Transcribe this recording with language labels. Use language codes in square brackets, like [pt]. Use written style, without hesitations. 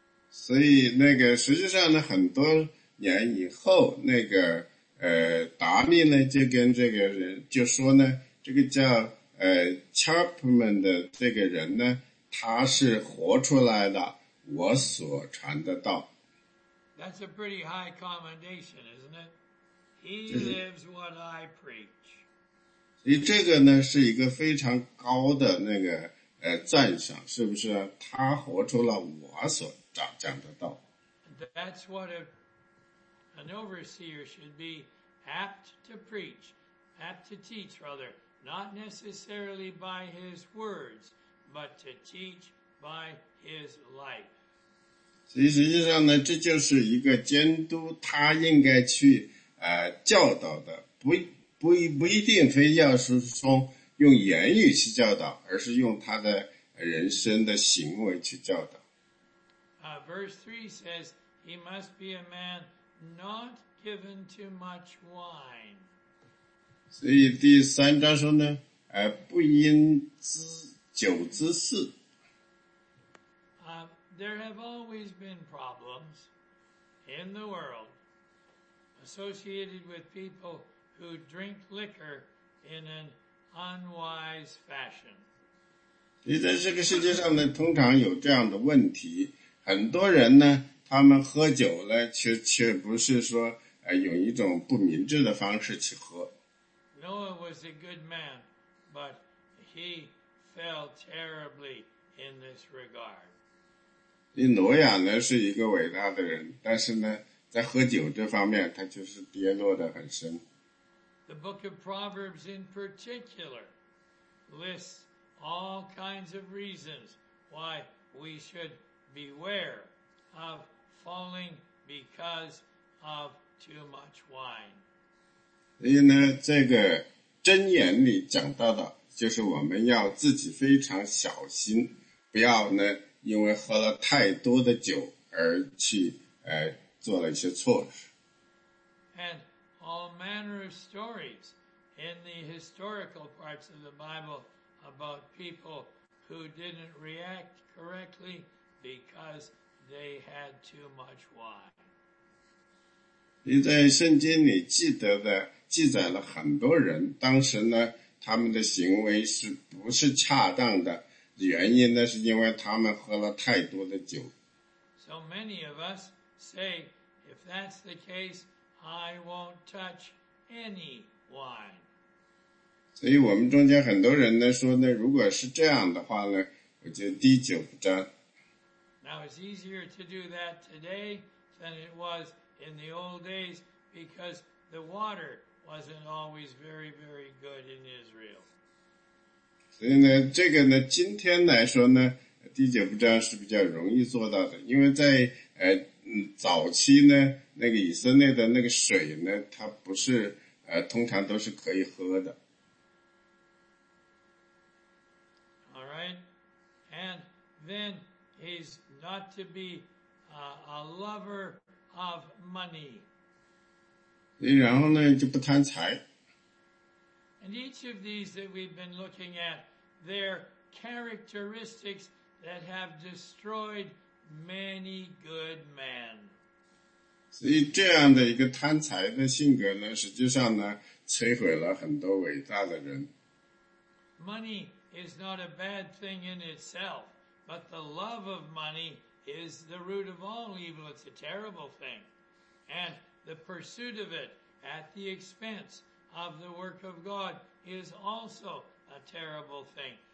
[zh] 所以那个实际上呢，很多年以后，那个达利呢就跟这个人就说呢，这个叫Chapman 的这个人呢，他是活出来的，我所传的道。 [en] That's a pretty high commendation, isn't it? He [zh] 就是， [en] lives what I preach. [zh] 所以这个呢是一个非常高的那个赞赏，是不是啊？他活出了我所讲的道。 [en] That's what an overseer should be, apt to preach, apt to teach, rather, not necessarily by his words, but to teach by his life. [zh] 所以实际上呢，这就是一个监督，他应该去教导的，不一定非要是从用言语去教导，而是用他的人生的行为去教导。 [en] Verse 3 says he must be a man not given to much wine. [zh] 所以第三章说呢，不因酒滋事。 [en] There have always been problems in the world associated with people who drink liquor in an unwise fashion. [zh] 你在这个世界上呢，通常有这样的问题，很多人呢，他们喝酒呢，却不是说，用一种不明智的方式去喝。 [en] Noah was a good man, but he fell terribly in this regard. [zh] 你挪亚呢是一个伟大的人，但是呢，在喝酒这方面，他就是跌落得很深。 [en] The book of Proverbs in particular lists all kinds of reasons why we should beware of falling because of too much wine. [zh] 所以呢，这个箴言里讲到的，就是我们要自己非常小心，不要呢，因为喝了太多的酒而去，做了一些错事。 [en] And all manner of stories in the historical parts of the Bible about people who didn't react correctly because they had too much wine. [zh] 你在圣经里记载了很多人，当时呢，他们的行为是不是恰当的？原因呢，是因为他们喝了太多的酒。 [en] So many of us say, if that's the case, I won't touch any wine. [zh] 所以我们中间很多人呢说呢，如果是这样的话呢，我就滴酒不沾。 [en] Now it's easier to do that today than it was in the old days because the water wasn't always very, very good in Israel. [zh] 所以呢，这个呢，今天来说呢，滴酒不沾是比较容易做到的，因为在早期呢，那个以色列的那个水呢，它不是通常都是可以喝的。 [en] All right, and then he's not to be a lover of money. [zh] 然后呢，就不贪财。 [en] And each of these that we've been looking at, they're characteristics that have destroyed many good men. [zh] 所以这样的一个贪财的性格呢，实际上呢，摧毁了很多伟大的人。 [en] Money is not a bad thing in itself, but the love of money is the root of all evil. It's a terrible thing. And the pursuit of it at the expense of the work of God is also a terrible thing.